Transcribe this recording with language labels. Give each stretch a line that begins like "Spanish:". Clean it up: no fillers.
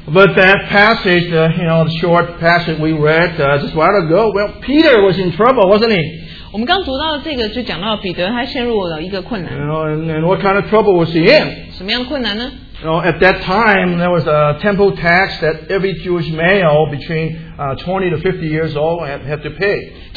English: But that passage, the short passage we read just a while ago, well, Peter was in trouble, wasn't he?
Chinese: 我们刚读到这个就讲到彼得他陷入了一个困难.
English: And what kind of trouble was he in?
Chinese: 什么样的困难呢?
English: At that time, there was a temple tax that every Jewish male between 20 to 50 years old had to pay.